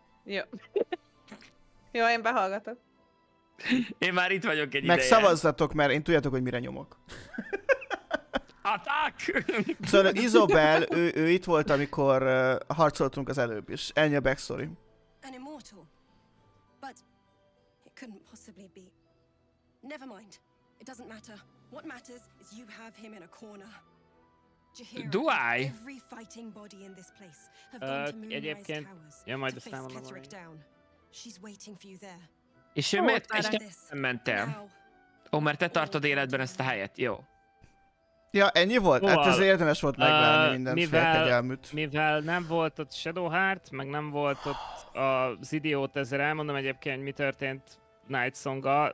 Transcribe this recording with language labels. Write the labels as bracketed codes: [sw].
[hu] Jó. Jó, én behallgatok. Én már itt vagyok egy ideje. Meg szavazzatok, mert én tudjátok, hogy mire nyomok. [en] Attack! [hu] Szóval Izobel, ő itt volt, amikor harcoltunk az előbb is. Ennyi a backstory. [en] An immortal. But it couldn't possibly be. Never mind. It doesn't matter. What matters is you have him in a corner. Do I? Every fighting body in this place have gone to Moonrise Towers to face Ketherick down. She's waiting for you there. [hu] És ő miért nem ment el? Ó, mert te tartod életben ezt a helyet. Jó. Ja, ennyi volt? Hát ez érdemes volt megválni mindent, félkegyelműt. Mivel nem volt ott Shadowheart, meg nem volt ott az idiót, ezzel elmondom egyébként, hogy mi történt Nightsong-gal.